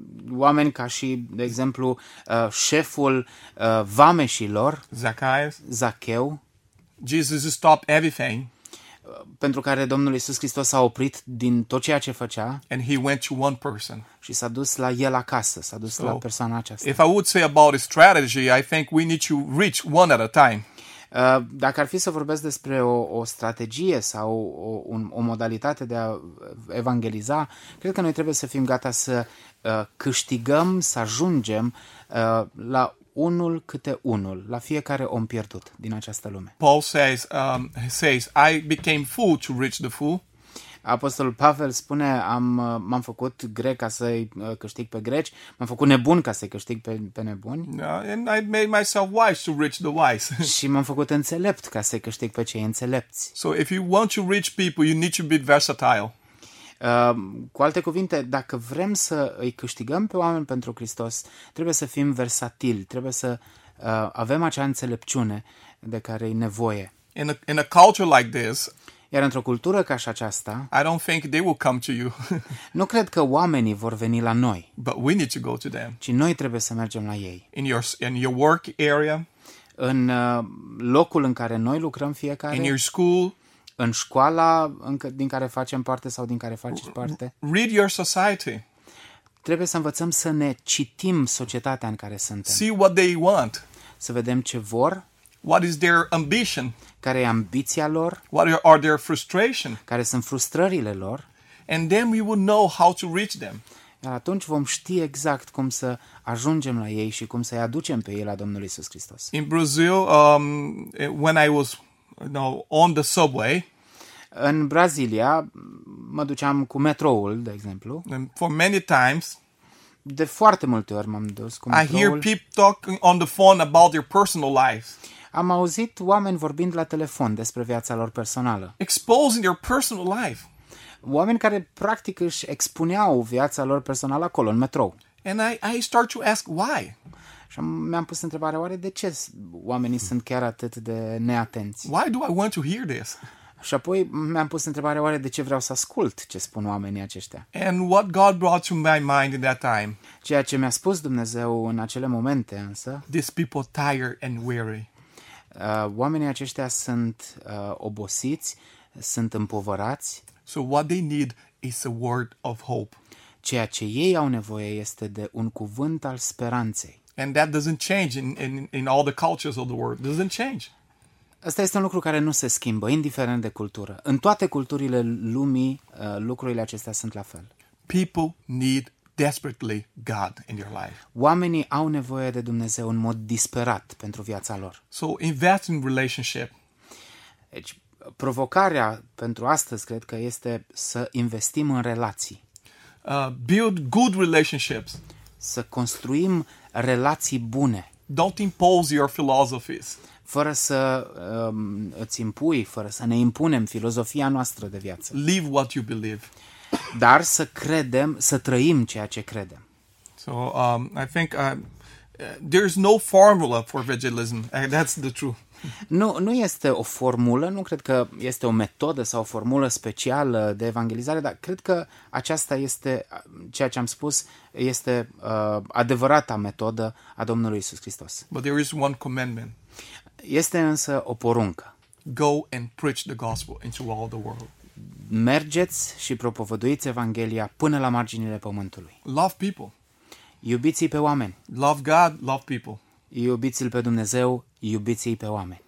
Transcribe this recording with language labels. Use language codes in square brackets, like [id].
[ro] Oameni ca și, de exemplu, șeful vameșilor. [en] Zacchaeus. [ro] Zacheu. [en] Jesus stopped everything. [ro] Pentru care Domnul Iisus Hristos s-a oprit din tot ceea ce făcea. [en] And he went to one person. [ro] Și s-a dus la el acasă, s-a dus la persoana aceasta. [en] If I would say about a strategy, I think we need to reach one at a time. [ro] Dacă ar fi să vorbesc despre o strategie sau o modalitate de a evangeliza, cred că noi trebuie să fim gata să câștigăm, să ajungem la unul câte unul, la fiecare om pierdut din această lume. [en] Paul says, I became fool to reach the fool. [ro] Apostolul Pavel spune, m-am făcut grec ca să-i câștig pe greci, m-am făcut nebun ca să-i câștig pe nebuni. [en] And I made myself wise to reach the wise. [ro] Și m-am făcut înțelept ca să-i câștig pe cei înțelepți. [en] So if you want to reach people, you need to be versatile. [ro] Cu alte cuvinte, dacă vrem să îi câștigăm pe oameni pentru Hristos, trebuie să fim versatili, trebuie să avem acea înțelepciune de care e nevoie. [en] In a culture like this, [ro] iar într-o cultură ca și aceasta, [en] I don't think they will come to you. [ro] Nu cred că oamenii vor veni la noi. [en] But we need to go to them. [ro] Ci noi trebuie să mergem la ei. [en] In your work area, [ro] în locul în care noi lucrăm fiecare, [en] in your school, [ro] în școala din care facem parte sau din care faci parte. [en] Read your society. [ro] Trebuie să învățăm să ne citim societatea în care suntem. [en] See what they want. [ro] Să vedem ce vor. [en] What is their ambition? [ro] Care e ambiția lor? [en] What are their frustration? [ro] Care sunt frustrările lor? [en] And then we will know how to reach them. [ro] Iar atunci vom ști exact cum să ajungem la ei și cum să-i aducem pe ei la Domnul Iisus Hristos. [en] In Brazil, when I was on the subway. [ro] În Brazilia mă duceam cu metroul, de exemplu. [en] And for many times, [ro] de foarte multe ori m-am dus cu metroul. [en] I hear people talking on the phone about their personal lives. [ro] Am auzit oameni vorbind la telefon despre viața lor personală. [en] Exposing their personal life. [ro] Oameni care practic își expuneau viața lor personală acolo în metrou. [en] And I start to ask why. [ro] Și mi-am pus întrebarea, oare de ce oamenii sunt chiar atât de neatenți? [en] Why do I want to hear this? [ro] Și apoi mi-am pus întrebarea, oare de ce vreau să ascult ce spun oamenii aceștia? [en] And what God brought to my mind in that time? [ro] Ceea ce mi-a spus Dumnezeu în acele momente, însă. [en] These people tired and weary. [ro] Oamenii aceștia sunt obosiți, sunt împovărați. [en] So what they need is a word of hope. [ro] Ceea ce ei au nevoie este de un cuvânt al speranței. [en] And that doesn't change in all the cultures of the world. Doesn't change. [ro] Asta este un lucru care nu se schimbă, indiferent de cultură. În toate culturile lumii, lucrurile acestea sunt la fel. [en] People need desperately God in your life. [ro] Oamenii au nevoie de Dumnezeu în mod disperat pentru viața lor. [en] So invest in relationship. [ro] Deci, provocarea pentru astăzi cred că este să investim în relații. [en] Build good relationships. [ro] Să construim relații bune. [en] Don't impose your philosophies. [ro] Fără să îți impui, fără să ne impunem filozofia noastră de viață. [en] Live what you believe. [ro] Dar să credem, să trăim ceea ce credem. [en] So, I think there's no formula for evangelism. That's the truth. [ro] Nu este o formulă, nu cred că este o metodă sau o formulă specială de evangelizare, dar cred că aceasta este ceea ce am spus, este adevărata metodă a Domnului Iisus Hristos. [en] But there is one commandment. [ro] Este însă o poruncă. [en] Go and preach the gospel into all the world. [ro] Mergeți și propovăduiți Evanghelia până la marginile pământului. [en] Love people. [ro] Iubiți-i pe oameni. [en] Love God, love people. [ro] Iubiți-l pe Dumnezeu, iubiți-i pe oameni.